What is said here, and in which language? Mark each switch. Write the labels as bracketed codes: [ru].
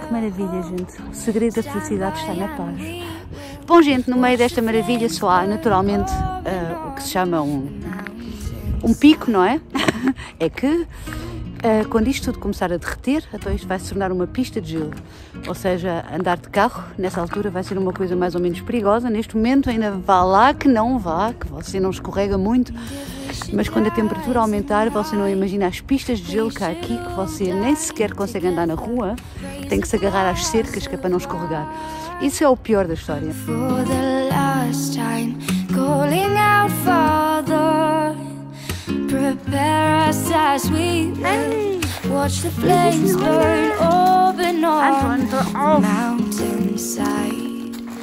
[pt] Que maravilha, gente. O segredo da felicidade está na paz. Bom, gente, no meio desta maravilha só há naturalmente o que se chama um pico, não é? É que quando isto tudo começar a derreter, então isto vai se tornar uma pista de gelo. Ou seja, andar de carro nessa altura vai ser uma coisa mais ou menos perigosa. Neste momento ainda vá lá que não vá, que você não escorrega muito. Mas quando a temperatura aumentar, você não imagina as pistas de gelo que há aqui, que você nem sequer consegue andar na rua, que tem que se agarrar às cercas, que é para não escorregar. Isso é o pior da história. [en] For the last time, calling out Father, prepare us as we watch the flames burn open on mountainside.